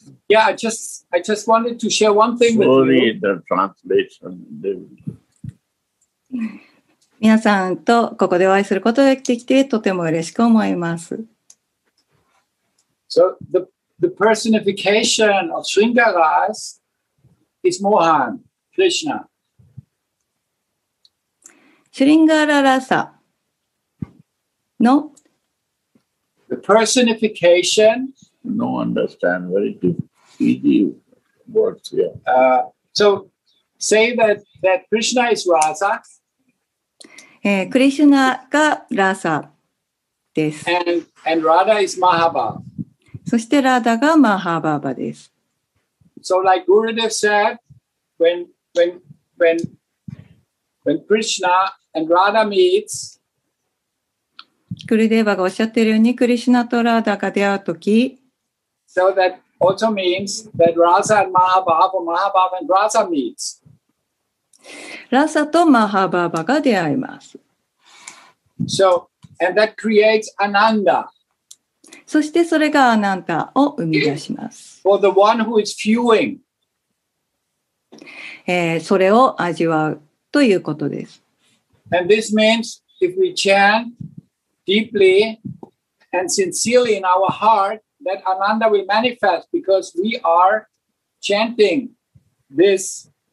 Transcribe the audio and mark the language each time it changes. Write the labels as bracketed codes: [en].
[en] Yeah, I just wanted to share one thing with you. Sorry, the translation. [ja] 皆さんとここでお会いすることができてとても嬉しく思います。 [en] So the personification of Sringaras is Mohan, Krishna. Sringara Rasa. No. The personification. No, understand very easy words here. So say that Krishna is Rasa. [ja] Krishna ga Rasa desu. [en] And Radha is Mahabhava. [ja] そして Radha ga Mahabhava desu. [en] So like Gurudev said, when Krishna and Radha meets, [ja] クルデーバがおっしゃっているようにクリシュナとラーダが出会うとき、 [en] So that also means that Rasa and Mahabhava, Mahabhava and Rasa meets. [ja] Rasa とマハバーバが出会います。 [en] So, and that creates Ananda. [ja] そしてそれがアナンダを生み出します。 [en] For the one who is viewing. [ja] それを味わうということです。 [en] And this means if we chant,Deeply and sincerely in our heart, that Ananda will manifest because we are chanting this